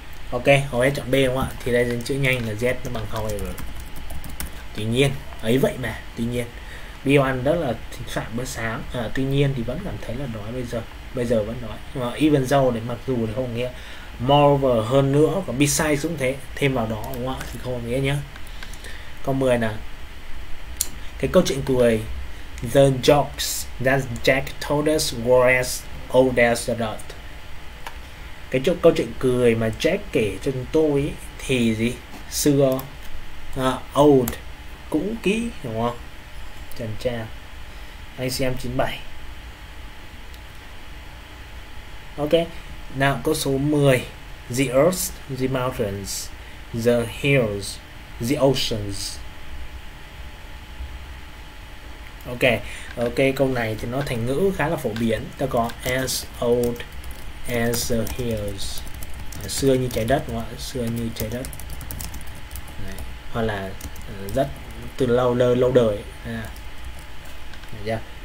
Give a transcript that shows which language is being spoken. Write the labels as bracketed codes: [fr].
[vi] Ok, hầu hết chọn B đúng không ạ? Thì đây là chữ nhanh là Z, nó bằng however. Tuy nhiên, ấy vậy mà, tuy nhiên Bill ăn rất là thịnh soạn bữa sáng, tuy nhiên thì vẫn cảm thấy là đói bây giờ. Bây giờ vẫn đói. Even though này, mặc dù thì không nghĩa. More hơn nữa, và besides cũng thế, thêm vào đó đúng không ạ, thì không có nghĩa nhé. Câu 10 nè, cái câu chuyện cười, [en] the jokes that Jack told us were as old as the dirt. [vi] Cái chỗ câu chuyện cười mà Jack kể cho chúng tôi ý, thì gì, xưa, old, cũ kỹ đúng không, trần tra. ACM97. Ok, nào câu số 10. [en] The earth, the mountains, the hills, the oceans. [vi] Ok, câu này thì nó thành ngữ khá là phổ biến. Ta có [en] as old as the hills, [vi] xưa như trái đất đúng không ạ? Xưa như trái đất. Đấy. Hoặc là rất từ lâu lâu lâu đời. À. Được chưa?